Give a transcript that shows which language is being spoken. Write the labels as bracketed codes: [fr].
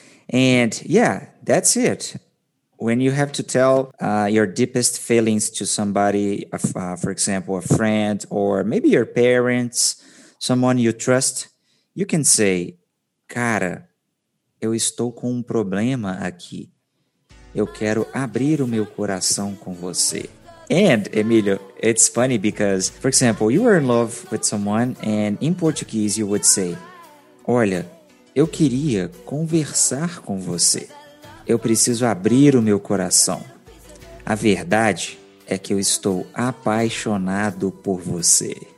[en] And yeah, that's it. When you have to tell your deepest feelings to somebody, for example, a friend or maybe your parents, someone you trust, you can say, [pt] cara, eu estou com problema aqui. Eu quero abrir o meu coração com você. [en] And Emilio, it's funny because, for example, you are in love with someone and in Portuguese you would say, [pt] olha, eu queria conversar com você. Eu preciso abrir o meu coração. A verdade é que eu estou apaixonado por você.